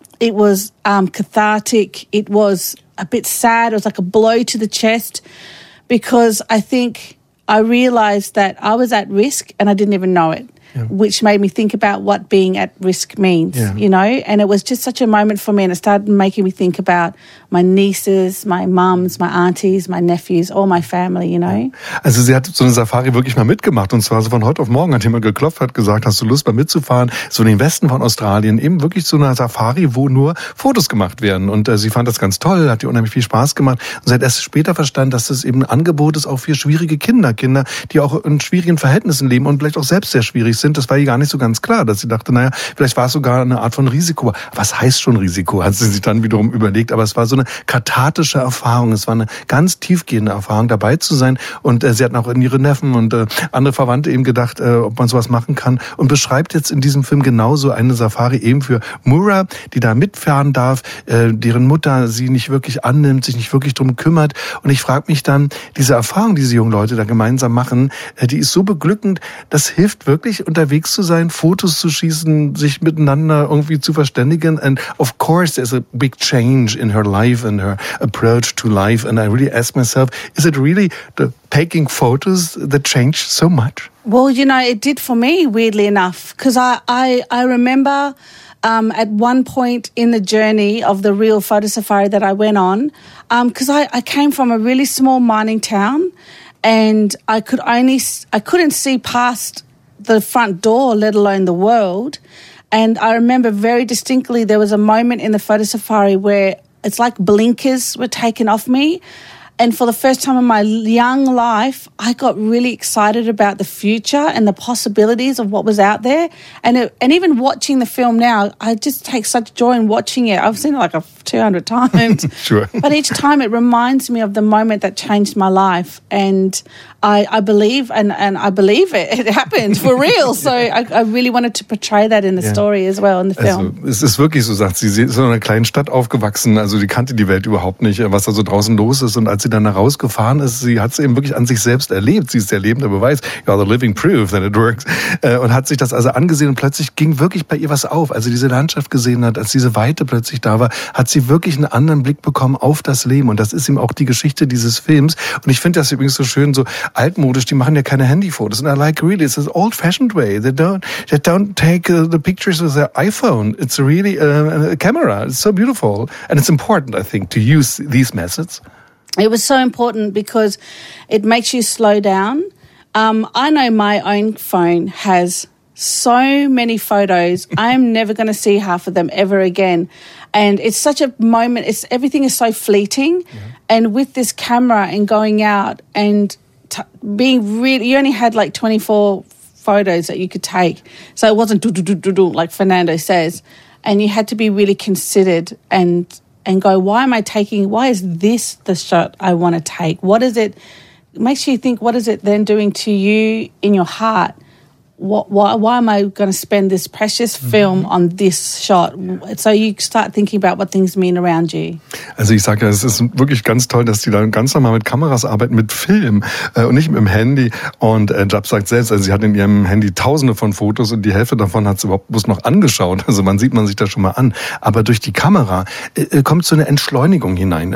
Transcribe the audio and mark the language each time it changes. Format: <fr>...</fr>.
<en>It was cathartic. It was a bit sad. It was like a blow to the chest because I think I realized that I was at risk and I didn't even know it, yeah. Which made me think about what being at risk means, yeah. You know. And it was just such a moment for me and it started making me think about my nieces, my mums, my aunties, my nephews, all my family, you know.</en> <de>Also sie hat so eine Safari wirklich mal mitgemacht und zwar so von heute auf morgen hat jemand geklopft, hat gesagt, hast du Lust mal mitzufahren, so in den Westen von Australien, eben wirklich so eine Safari, wo nur Fotos gemacht werden. Und sie fand das ganz toll, hat ihr unheimlich viel Spaß gemacht und sie hat erst später verstanden, dass das eben ein Angebot ist auch für schwierige Kinder, die auch in schwierigen Verhältnissen leben und vielleicht auch selbst sehr schwierig sind. Das war ihr gar nicht so ganz klar, dass sie dachte, naja, vielleicht war es sogar eine Art von Risiko. Was heißt schon Risiko, hat sie sich dann wiederum überlegt, aber es war so eine kathartische Erfahrung. Es war eine ganz tiefgehende Erfahrung, dabei zu sein. Und sie hat auch an ihre Neffen und andere Verwandte eben gedacht, ob man sowas machen kann. Und beschreibt jetzt in diesem Film genauso eine Safari eben für Mura, die da mitfahren darf, deren Mutter sie nicht wirklich annimmt, sich nicht wirklich drum kümmert. Und ich frage mich dann, diese Erfahrung, die diese jungen Leute da gemeinsam machen, die ist so beglückend, das hilft wirklich, unterwegs zu sein, Fotos zu schießen, sich miteinander irgendwie zu verständigen.</de> <en>And of course, there's a big change in her life. And her approach to life, and I really ask myself, is it really the taking photos that changed so much? Well, you know, it did for me, weirdly enough, because I remember at one point in the journey of the real photo safari that I went on, because I came from a really small mining town, and I couldn't see past the front door, let alone the world. And I remember very distinctly there was a moment in the photo safari where it's like blinkers were taken off me. And for the first time in my young life, I got really excited about the future and the possibilities of what was out there. And even watching the film now, I just take such joy in watching it. I've seen it like 200 times. Sure. But each time it reminds me of the moment that changed my life. And I believe it happened for real. So I really wanted to portray that in the story as well, in the film.</en> <de>Also, es ist wirklich so, sagt sie, sie ist in einer kleinen Stadt aufgewachsen. Also sie kannte die Welt überhaupt nicht, was da so draußen los ist. Und als sie dann herausgefahren ist, sie hat es eben wirklich an sich selbst erlebt. Sie ist der lebende Beweis.</de> <en>You are the living proof that it works.</en> <de>Und hat sich das also angesehen und plötzlich ging wirklich bei ihr was auf. Als sie diese Landschaft gesehen hat, als diese Weite plötzlich da war, hat sie wirklich einen anderen Blick bekommen auf das Leben. Und das ist eben auch die Geschichte dieses Films. Und ich finde das übrigens so schön, so altmodisch, die machen ja keine Handyfotos.</de> <en>And I like really, it's an old-fashioned way. They don't take the pictures with their iPhone. It's really a camera. It's so beautiful. And it's important, I think, to use these methods. It was so important because it makes you slow down. I know my own phone has so many photos. I'm never going to see half of them ever again. And it's such a moment. It's everything is so fleeting. Yeah. And with this camera and going out and being really, you only had like 24 photos that you could take. So it wasn't do-do-do-do-do like Fernando says. And you had to be really considered and go, why is this the shot I want to take? What is it? It makes you think, what is it then doing to you in your heart? Why am I going to spend this precious film on this shot? So you start thinking about what things mean around you.</en> <de>Also ich sage ja, es ist wirklich ganz toll, dass die da ganz normal mit Kameras arbeiten, mit Film und nicht mit dem Handy. Und Jab sagt selbst, also sie hat in ihrem Handy tausende von Fotos und die Hälfte davon hat sie überhaupt bloß noch angeschaut. Also man sieht man sich da schon mal an. Aber durch die Kamera kommt so eine Entschleunigung hinein.</de>